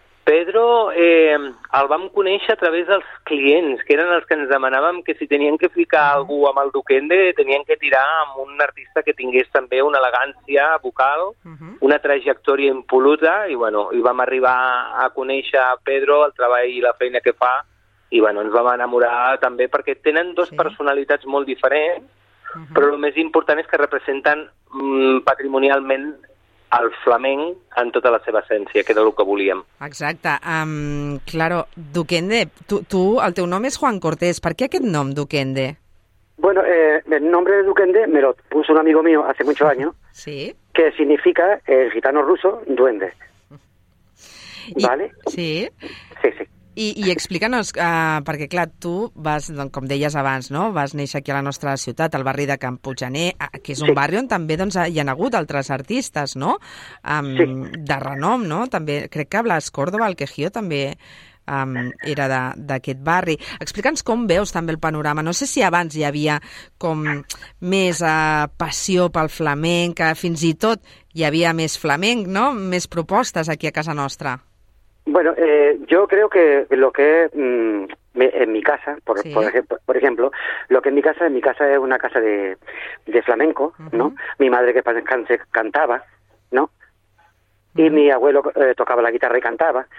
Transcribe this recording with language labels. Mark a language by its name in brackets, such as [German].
[Catalan] Pedro el vam conèixer a través dels clients, que eren els que ens demanàvem que si tenien que ficar algú amb el Duquende, tenien que tirar amb un artista que tingués també una elegància vocal, una trajectòria impoluta, i bueno, i vam arribar a conèixer a Pedro, el treball i la feina que fa, i bueno, ens vam enamorar també, perquè tenen dos personalitats molt diferents, però el més important és que representen patrimonialment el flamenc en tota la seva essència, que era el que volíem. Exacte. Claro, Duquende, tu, el teu nom és Juan Cortés. Per què aquest nom, Duquende? [Spanish] Bueno, el nombre de Duquende me lo puso un amigo mío hace muchos años. Sí. Que significa, el gitano ruso, duende. [Catalan] I, [Spanish] ¿vale? Sí. Sí, sí. [Catalan] I explica'ns, perquè clar, tu vas, doncs, com deies abans, no? Vas néixer aquí a la nostra ciutat, al barri de Can Puiganer, que és un barri on també doncs, hi ha hagut altres artistes, no? De renom, no? També crec que Blas Córdoba, el Quejío, també era d'aquest barri. Explica'ns com veus també el panorama. No sé si abans hi havia com més passió pel flamenc, que fins i tot hi havia més flamenc, no? Més propostes aquí a casa nostra. [Spanish] Bueno, yo creo que lo que es en mi casa, por ejemplo, lo que en mi casa es una casa de flamenco, ¿no? Mi madre que cantaba, ¿no? Y mi abuelo tocaba la guitarra y cantaba.